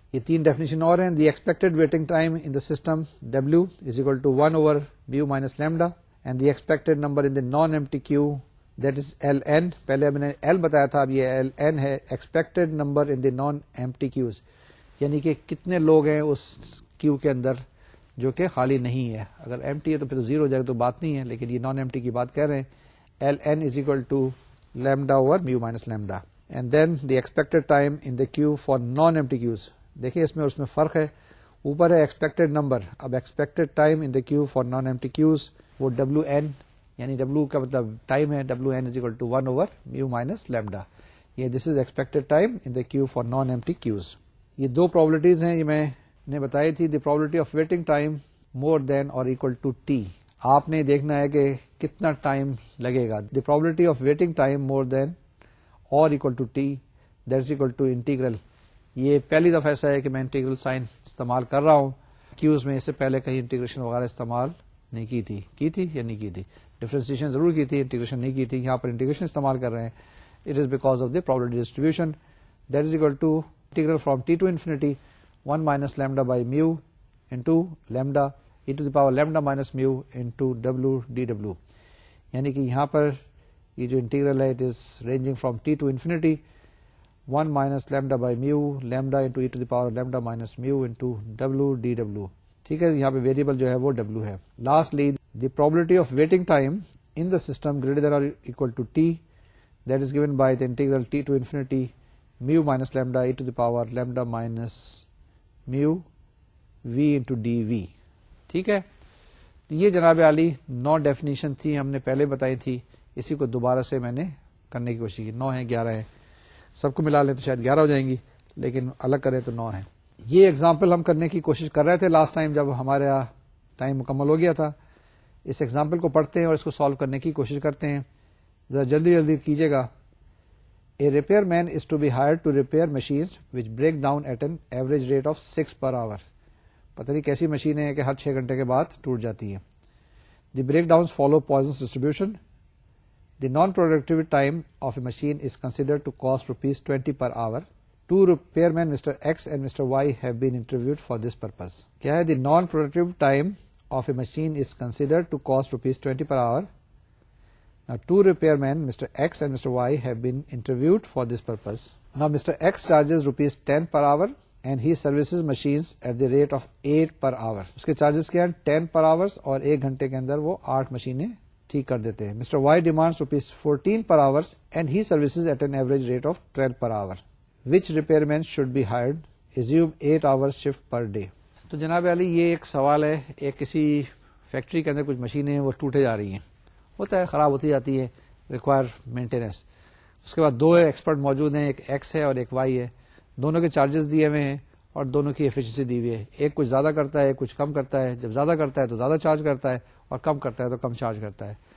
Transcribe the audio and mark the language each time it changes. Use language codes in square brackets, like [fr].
[ur] یہ تین ڈیفینیشن اور ہیں, [en] The expected waiting time in the system W is equal to one over mu minus lambda, and the expected number in the non empty queue that is L N. [ur] پہلے میں نے L بتایا تھا, اب یہ ایل این ہے, [en] expected number in the non empty queues, [ur] یعنی کہ کتنے لوگ ہیں اس کیو کے اندر جو کہ خالی نہیں ہے. اگر ایمٹی ہے تو پھر زیرو ہو جائے گا تو بات نہیں ہے, لیکن یہ نان ایمٹی کی بات کہہ رہے ہیں. [en] L N is equal to lambda over mu minus lambda, and then the expected time in the queue for non empty queues. [ur] دیکھیے اس میں اور اس میں فرق ہے, اوپر ہے ایکسپیکٹڈ نمبر, اب [en] expected time in the queue for non empty queues [ur] وہ [en] W N, یعنی W کا مطلب ٹائم ہے, W N is equal to one over mu minus lambda. [ur] یہ [en] This is expected time in the queue for non empty queues. [ur] یہ دو پرابلٹیز ہیں, یہ میں نے بتائی تھی, [en] the probability of waiting time more than or equal to T, [ur] آپ نے دیکھنا ہے کہ کتنا ٹائم لگے گا. [en] The probability of waiting time more than or equal to T that is equal to integral. [ur] یہ پہلی دفعہ ایسا ہے کہ میں انٹیگرل سائن استعمال کر رہا ہوں, کیوز میں اس سے پہلے کہیں انٹیگریشن وغیرہ استعمال نہیں کی تھی, کی تھی یا نہیں کی تھی, ڈیفرنسیشن ضرور کی تھی, انٹیگریشن نہیں کی تھی, یہاں پر انٹیگریشن استعمال کر رہے ہیں. [en] It is because of the probability distribution that is equal to integral from T to infinity 1 minus lambda by mu into lambda e to the power lambda minus mu into w dw. [ur] یعنی کہ یہاں پر یہ جو integral ہے [en] It is ranging from T to infinity 1 minus lambda by mu lambda into e to the power lambda minus mu into w dw. [ur] ٹھیک ہے, یہاں پہ ویریبل جو ہے وہ w ہے. [en] Lastly, the probability of waiting time in the system greater than or equal to t that is given by the integral t to infinity mu minus lambda e to the power lambda minus mu V into D V. [ur] ٹھیک ہے, یہ جناب عالی نو definition تھی, ہم نے پہلے بتائی تھی, اسی کو دوبارہ سے میں نے کرنے کی کوشش کی. نو ہیں, گیارہ ہیں, سب کو ملا لیں تو شاید گیارہ ہو جائیں گی, لیکن الگ کریں تو نو ہیں. یہ ایگزامپل ہم کرنے کی کوشش کر رہے تھے لاسٹ ٹائم جب ہمارا ٹائم مکمل ہو گیا تھا. اس ایگزامپل کو پڑھتے ہیں اور اس کو سالو کرنے کی کوشش کرتے ہیں. ذرا جلدی جلدی کیجیے گا. [en] A repairman is to be hired to repair machines which break down at an average rate of 6 per hour. [ur] پتہ نہیں کیسی مشینیں ہیں کہ ہر 6 گھنٹے کے بعد ٹوٹ جاتی ہیں. [en] The breakdowns follow Poisson's distribution. The non-productive time of a machine is considered to cost rupees 20 per hour. Two repairmen, Mr. X and Mr. Y, have been interviewed for this purpose. [ur] کیا ہے, [en] the non-productive time of a machine is considered to cost rupees 20 per hour. Now, two repairmen, Mr. X and Mr. Y, have been interviewed for this purpose. Now, Mr. X charges rupees 10 per hour and he services machines at the rate of 8 per hour. [ur] اس کے charges کیا ہیں؟ 10 پر آور, اور ایک گھنٹے کے اندر وہ 8 مشینیں ٹھیک کر دیتے ہیں. [en] Mister Y demand rupees 14 per hour and he services at an average rate of 12 per hour. Which repairman should be hired? Assume 8 hour shift per day. [ur] تو جناب علی یہ ایک سوال ہے, ایک کسی فیکٹری کے اندر کچھ مشینیں ہیں وہ ٹوٹے جا رہی ہیں, ہوتا ہے خراب ہوتی جاتی ہے, ریکوائر مینٹیننس. اس کے بعد دو ایکسپرٹ موجود ہیں, ایک ایکس ہے اور ایک وائی ہے, دونوں کے چارجز دیے ہوئے ہیں اور دونوں کی ایفیشنسی دی ہوئی ہے. ایک کچھ زیادہ کرتا ہے, ایک کچھ کم کرتا ہے. جب زیادہ کرتا ہے تو زیادہ چارج کرتا ہے, اور کم کرتا ہے تو کم چارج کرتا ہے.